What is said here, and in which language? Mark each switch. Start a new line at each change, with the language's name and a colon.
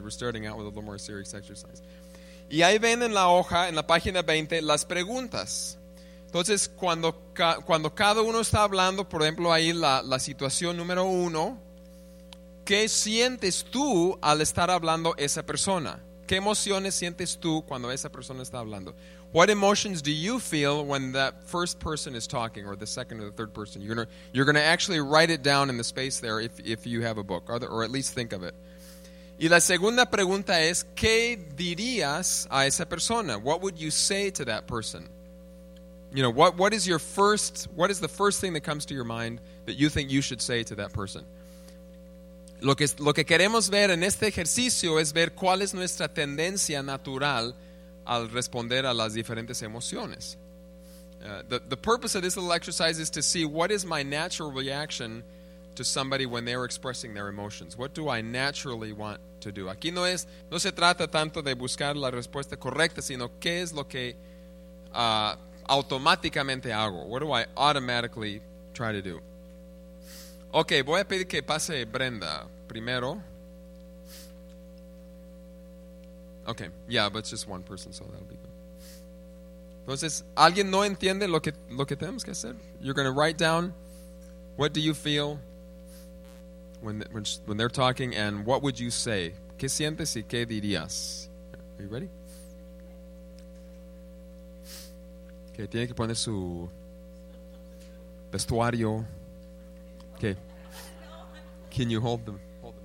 English: We're starting out with a little more serious exercise.
Spanish: Y ahí ven en la hoja, en la página 20, las preguntas. Entonces, cuando cada uno está hablando, por ejemplo, ahí la situación número uno, ¿qué sientes tú al estar hablando esa persona? ¿Qué emociones sientes tú cuando esa persona está hablando?
English: What emotions do you feel when that first person is talking, or the second or the third person? You're gonna actually write it down in the space there if you have a book, or at least think of it.
Spanish: Y la segunda pregunta es, ¿qué dirías a esa persona?
English: What would you say to that person? You know, what is the first thing that comes to your mind that you think you should say to that person?
Spanish: Lo que queremos ver en este ejercicio es ver cuál es nuestra tendencia natural al responder a las diferentes emociones.
English: The purpose of this little exercise is to see what is my natural reaction to somebody when they're expressing their emotions. What do I naturally want to do?
Spanish: Aquí no se trata tanto de buscar la respuesta correcta, sino qué es lo que automáticamente hago.
English: What do I automatically try to do? Okay,
Spanish: voy a pedir que pase Brenda primero.
English: Okay, yeah, but it's just one person, so that'll be good.
Spanish: Entonces, ¿alguien no entiende lo que tenemos que hacer?
English: You're going to write down, what do you feel when they're talking, and what would you say?
Spanish: ¿Qué sientes y qué dirías?
English: Are you ready? Okay,
Spanish: tiene que poner su vestuario.
English: Okay. Can you hold them? Hold the